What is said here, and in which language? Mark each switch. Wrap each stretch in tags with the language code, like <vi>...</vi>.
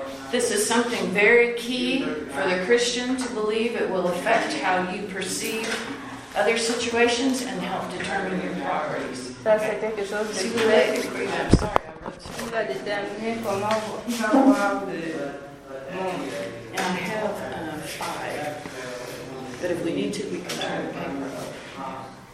<en>This is something very key for the Christian to believe. It will affect how you perceive other situations and help determine your priorities.</en> <fr>Ça, c'est quelque chose de clé. Tu vas déterminer comment vous allez voir le monde.</fr> <en>And I have five. But if we need to, we can turn the camera off.</en>